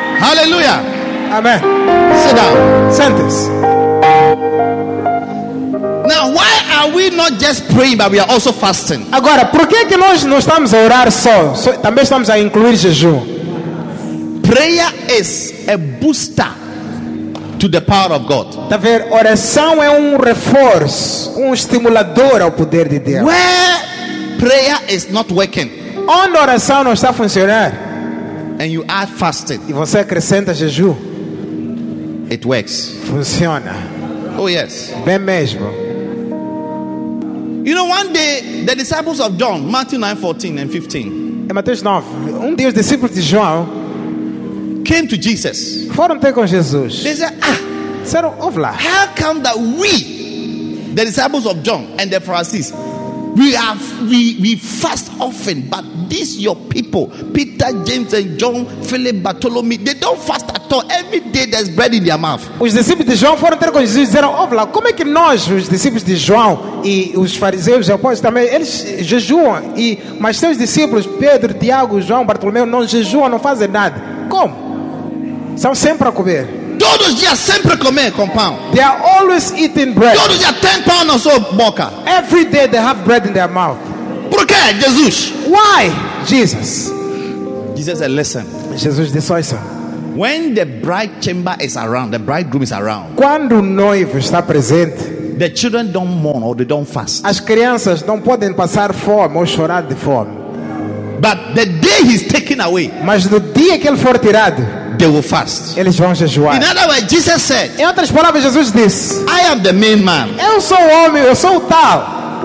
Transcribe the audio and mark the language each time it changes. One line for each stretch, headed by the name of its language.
Portuguese: Aleluia. Amém.
English: Sit down.
Portuguese: Sentes.
English: Now, why are we not just praying, but we are also fasting?
Portuguese: Agora, por que que nós não estamos a orar só? Também estamos a incluir jejum.
English: Prayer is a booster to the power of God.
Portuguese: Tá vendo? Oração é um reforço, um estimulador ao poder de Deus.
English: Where prayer is not working,
Portuguese: onde a oração não está a funcionar,
English: and you add fasting,
Portuguese: e você acrescenta jejum,
English: it works.
Portuguese: Funciona.
English: Oh yes.
Portuguese: Bem mesmo.
English: You know, one day the disciples of John, Matthew 9:14 and 15.
Portuguese: Mateus 9. Um dia os discípulos de João
English: came to Jesus.
Portuguese: Foram ter com Jesus.
English: They said, "Ah,
Portuguese: disseram, ouve lá.
English: How come that we, the disciples of John and the Pharisees, we fast often, but these your people, Peter, James and John, Philip, Bartholomew, they don't fast at all. Every day there's bread in their mouth."
Portuguese: Os discípulos de João foram ter com Jesus e disseram, ouve lá, como é que nós, os discípulos de João e os fariseus e apóstolos também, eles jejuam, e mas seus discípulos, Pedro, Tiago, João, Bartolomeu, não jejuam, não fazem nada. Como? São sempre a comer. Todos os dias sempre comem com pão.
English: They are always eating bread.
Portuguese: Todos os dias 10 pounds or so boca.
English: Every day they have bread in their mouth.
Portuguese: Por que, Jesus?
English: Why, Jesus? Jesus said, listen.
Portuguese: Jesus disse, olha.
English: When the bride chamber is around, the bridegroom is around.
Portuguese: Quando o noivo está presente,
English: the children don't mourn or they don't fast.
Portuguese: As crianças não podem passar fome ou chorar de fome.
English: But the day he's taken away,
Portuguese: mas no dia que ele for tirado,
English: they will fast.
Portuguese: Eles vão jejuar.
English: In other words, Jesus said,
Portuguese: em outras palavras, Jesus disse,
English: I am the main man.
Portuguese: Eu sou o homem, eu sou o tal.